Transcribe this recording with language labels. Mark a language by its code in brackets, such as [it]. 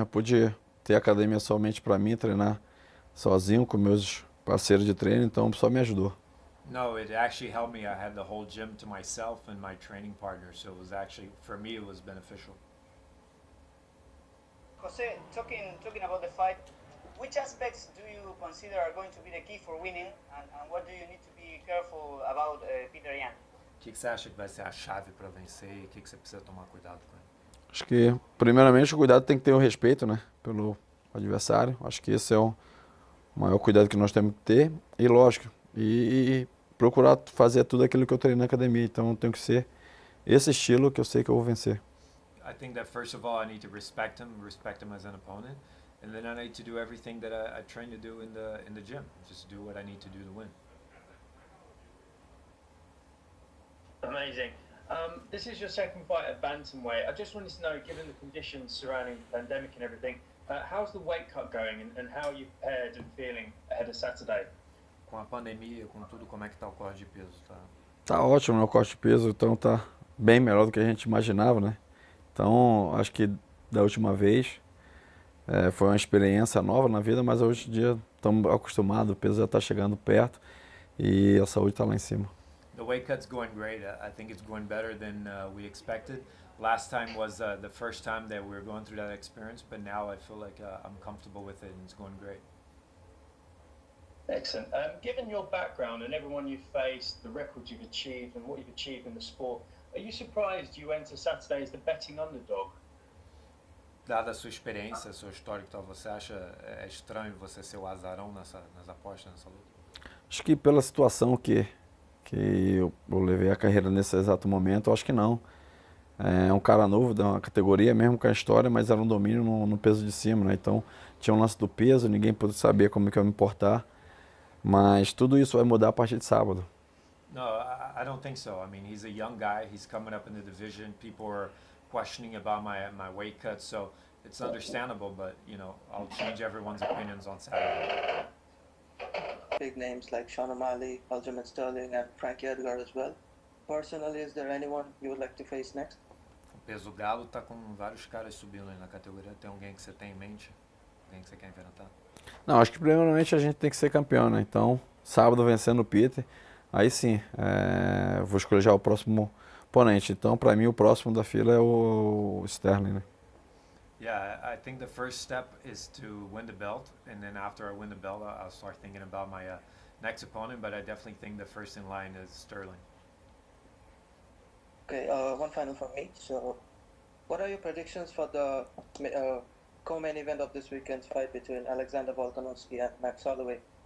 [pt] Eu pude ter academia somente para mim, treinar sozinho com meus parceiros de treino, então só me ajudou. [en] No, it actually helped me. I had the whole gym to myself and my training partner, so it was actually, for me, it was beneficial. Jose, talking about the fight, which aspects do you consider are going to be the key for winning, and what do you need to be careful about Petr Yan? [pt] O que você acha que vai ser a chave para vencer e o que você precisa tomar cuidado com ele? Acho que, primeiramente, o cuidado tem que ter o respeito, né, pelo adversário. Acho que esse é o maior cuidado que nós temos que ter. E, lógico, e procurar fazer tudo aquilo que eu treino na academia. Então, tem que ser esse estilo que eu sei que eu vou vencer. [en] I think that first of all I need to respect him as an opponent, and then I need to do everything that I train to do in the gym. Just do what I need to do to win. Amazing. This is your second fight at bantamweight. I just wanted to know, given the conditions surrounding the pandemic and everything, how's the weight cut going, and how are you prepared and feeling ahead of Saturday? [pt] Com a pandemia, com tudo, como é que tá o corte de peso? Tá? Tá ótimo, meu corte de peso. Então tá bem melhor do que a gente imaginava, né? Então, acho que da última vez foi uma experiência nova na vida, mas hoje em dia estamos acostumados, o peso já está chegando perto e a saúde está lá em cima. [en] The weight cut's going great. I think it's going better than we expected. Last time was the first time that we were going through that experience, but now I feel like I'm comfortable with it and it's going great. Excellent. Given your background and everyone you've faced, the records you've achieved and what you've achieved in the sport, are you surprised you enter Saturday as the betting underdog? [pt] Dada a sua experiência, seu histórico, então você acha estranho você ser o azarão nas apostas, nessa luta? Acho que pela situação que eu levei a carreira nesse exato momento, acho que não. É um cara novo, da uma categoria mesmo com a história, mas era um domínio no peso de cima, né? Então tinha um lance do peso, ninguém podia saber como que eu ia me portar. Mas tudo isso vai mudar a partir de sábado. [en] No, I don't think so. I mean, he's a young guy. He's coming up in the division. People are questioning about my weight cut, so it's understandable. But you know, I'll change everyone's opinions on Saturday. Big names like Sean O'Malley, Aljamain Sterling, and Frankie Edgar as well. Personally, is there anyone you would like to face next? [pt] O peso galo tá com vários caras subindo aí na categoria. Tem alguém que você tem em mente? Alguém que você quer enfrentar? Não, acho que primeiramente a gente tem que ser campeão, né? Então, sábado vencendo o Peter. Aí sim, vou escolher já o próximo oponente. Então, para mim, o próximo da fila é o Sterling, né? [en] Yeah, I think the first step is to win the belt, and then after I win the belt, I'll start thinking about my next opponent, but I definitely think the first in line is Sterling. Okay, one final from me. So, what are your predictions for the co-main event of this weekend's fight between Alexander Volkanovski and Max Holloway?